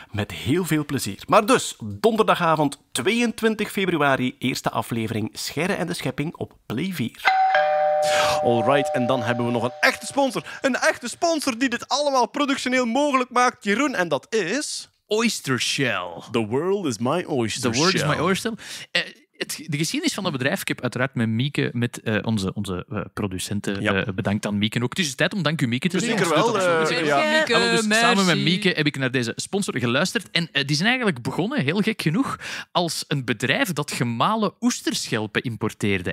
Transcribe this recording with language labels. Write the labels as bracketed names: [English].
[Dutch] Met heel veel plezier. Maar dus, donderdagavond 22 februari, eerste aflevering Scheire en de Schepping op Play 4. Alright, en dan hebben we nog een echte sponsor. Een echte sponsor die dit allemaal productioneel mogelijk maakt, Jeroen. En dat is... Oyster Shell. [English] The world is my oyster shell. The world is my oyster shell. [Dutch] De geschiedenis van dat bedrijf, ik heb uiteraard met Mieke, met onze producenten, bedankt aan Mieke ook. Het is tijd om dank u Mieke te zeggen. Zeker wel. Samen met Mieke heb ik naar deze sponsor geluisterd. En die zijn eigenlijk begonnen, heel gek genoeg, als een bedrijf dat gemalen oesterschelpen importeerde.